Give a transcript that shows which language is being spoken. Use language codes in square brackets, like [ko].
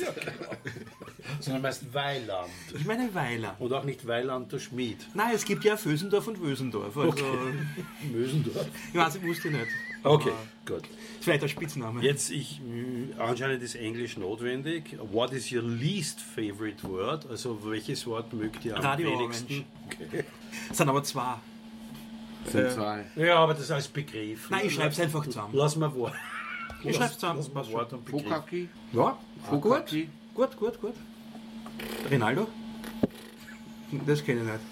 [de] Ja, sondern du meinst Weiland. Ich meine Weiland. Und auch nicht Weiland der Schmied. Nein, es gibt ja Vösendorf und Vösendorf. Also okay. Vösendorf? Ich weiß, ich wusste nicht. Okay, gut. Zweiter Spitzname. Jetzt, anscheinend ist Englisch notwendig. [en] What is your least favorite word? [de] Also welches Wort mögt ihr am Radio wenigsten? Okay. Es sind aber zwei. Sind zwei. Ja, aber das als Begriff. Nein, ich schreibe es einfach zusammen. Lass mal Wort. Ich schreibe es zusammen. Lass Wort und Begriff. Fukaki. Ja, Fukaki. Gut. Rinaldo? Das kenne ich nicht.